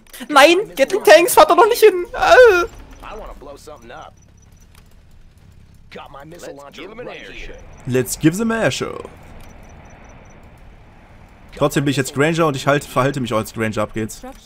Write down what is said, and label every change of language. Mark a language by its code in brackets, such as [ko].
[de] Nein, Gatling Tanks, fahrt doch noch nicht hin. [en] I wanna blow something up. Got my missile launcher right here. Let's give them an air show. [de] Trotzdem bin ich jetzt Granger und ich verhalte mich auch als Granger, ab geht's.